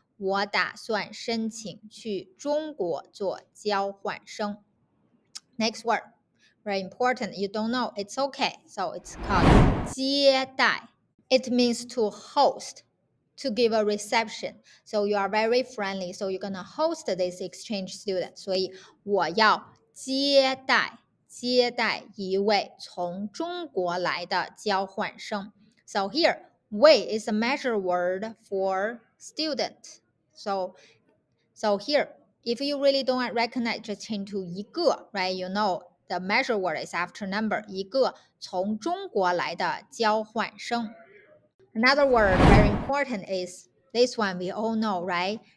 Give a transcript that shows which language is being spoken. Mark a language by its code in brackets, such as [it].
[zh] 我打算申请去中国做交换生。 [en] Next word, very important, you don't know, it's okay. So it's called 接待。 It means to host, to give a reception. So you are very friendly, so you're gonna host this exchange student. [zh] 所以我要接待一位从中国来的交换生。 [en] So here, 为 is a measure word for student. So here, if you really don't recognize, just change to 一个, right? You know, the measure word is after number, [zh] 一个从中国来的交换生。 [en] Another word very important is this one we all know, right?